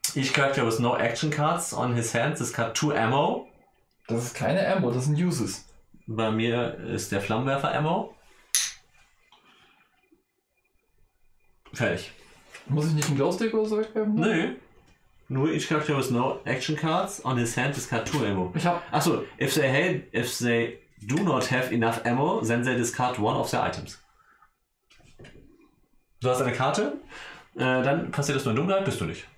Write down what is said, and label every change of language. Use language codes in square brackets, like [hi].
[en] Each character with no action cards on his hands is cut 2 ammo. [de] Das ist keine Ammo, das sind Uses. Bei mir ist der Flammenwerfer Ammo. Fertig. Muss ich nicht einen Glowstick oder so wegwerfen? Nö. Nur [en] each character with no action cards on his hand is cut 2 ammo. [de] Ich hab. [en] Achso, if they do not have enough ammo, then they discard one of their items. [de] Du hast eine Karte, dann passiert das nur in Dunkelheit, bist du nicht.